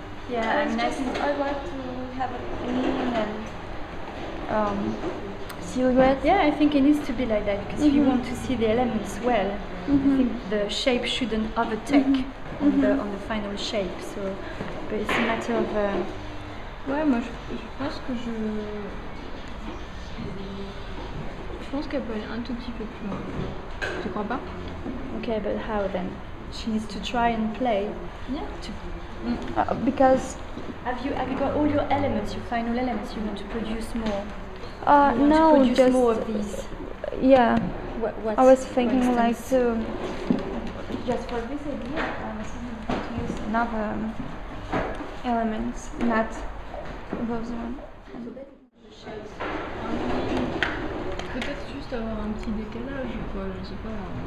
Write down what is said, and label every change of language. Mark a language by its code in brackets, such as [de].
[en] Yeah, and I'd like to have a meaning and silhouette. Yeah, I think it needs to be like that because if you want to see the elements well, I think the shape shouldn't overtake on the final shape. So, but it's a matter of. [fr] Ouais, moi je pense que je pense qu'elle peut aller un tout petit peu plus loin. Tu crois pas? [en] Okay, but how then? She needs to try and play. Yeah. Because have you got all your elements, your final elements? You want to produce more? More of these. Yeah. What I was thinking like to just for this idea, I was thinking to use another element, not those one. [fr] Peut-être juste avoir un petit décalage ou quoi, je sais pas.